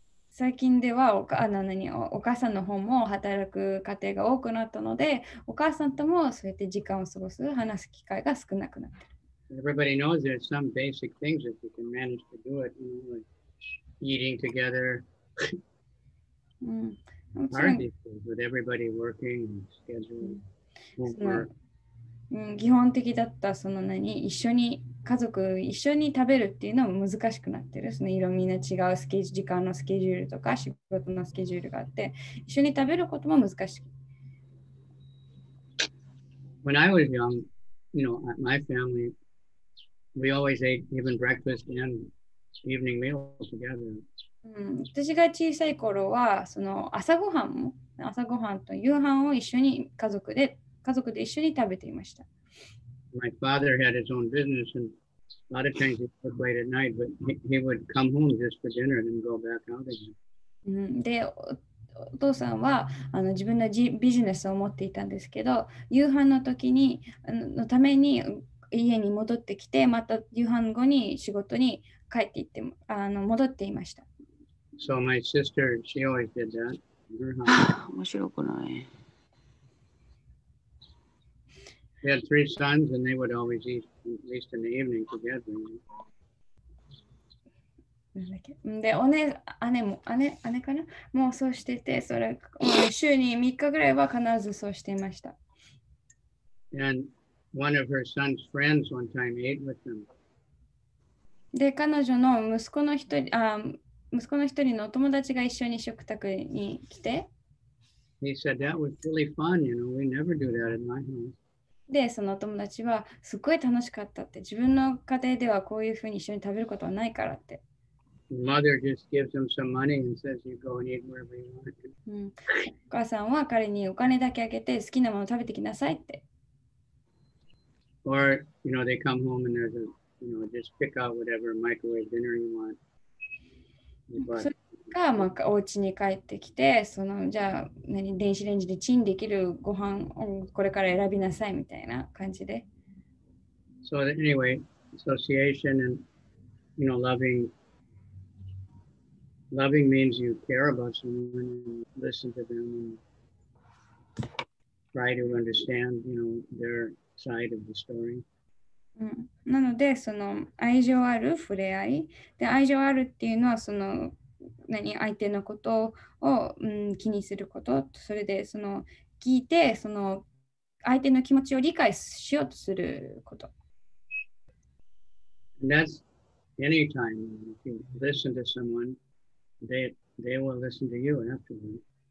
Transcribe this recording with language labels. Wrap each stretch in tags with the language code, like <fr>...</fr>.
<ja>最近ではお母さんの方も働く家庭が多くなったので、お母さんともそうやって時間を過ごす、話す機会が少なくなってる。</ja> <en>Everybody knows there's some basic things that you can manage to do it, you know, like eating together. Hard these days with everybody working and scheduling.</en> <ja>基本的だったその何一緒に家族一緒に食べるっていうのも難しくなってる。そのいろんな違うスケジュール時間のスケジュールとか仕事のスケジュールがあって一緒に食べることも難しい。</ja> <en>When I was young, you know, at my family. We always ate even breakfast and evening meal together.</en> <ja>私が小さい頃はその朝ごはんも朝ごはんと夕飯を一緒に家族で一緒に食べていました。</ja> <en>My father had his own business and a lot of times he worked late at night, but he would come home just for dinner and then go back out again.</en> <ja>でお父さんは自分のビジネスを持っていたんですけど、夕飯の時にのために家に戻ってきて、また夕飯後に仕事に帰っていって戻っていました。</ja> <en>So my sister, she always did that.</en> <ja>面白くない。</ja> <en>We had three sons and they would always eat at least in the evening together.</en> <ja>で、姉かな? もうそうしてて、それ週に3日ぐらいは必ずそうしていました。</ja> <en>And One of her son's friends one time ate with them.</en> <ja>で、彼女の息子の一人のお友達が一緒に食卓に来て。</ja> <en>He said that was really fun, you know, we never do that in my home.</en> <ja>で、そのお友達はすごい楽しかったって、自分の家庭ではこういうふうに一緒に食べることはないからって。</ja> <en>Mother just gives him some money and says you go and eat wherever you want.</en> <ja>お母さんは彼にお金だけあげて好きなものを食べてきなさいって。</ja> <en>Or, you know, they come home and there's a, you know, just pick out whatever microwave dinner you want.</en> <ja>それが、まあ、お家に帰ってきて、その、じゃあ、何、電子レンジでチンできるご飯をこれから選びなさいみたいな感じで。</ja> <en>So anyway, association and, you know, loving. Loving means you care about someone and listen to them and try to understand, you know, their... side of the story.</en> <ja>なのでその愛情ある触れ合いで愛情あるっていうのはその何相手のことを、気にすることそれでその聞いてその相手の気持ちを理解しようとすること。</ja> <en>And that's anytime if you listen to someone, they will listen to you afterwards.</en>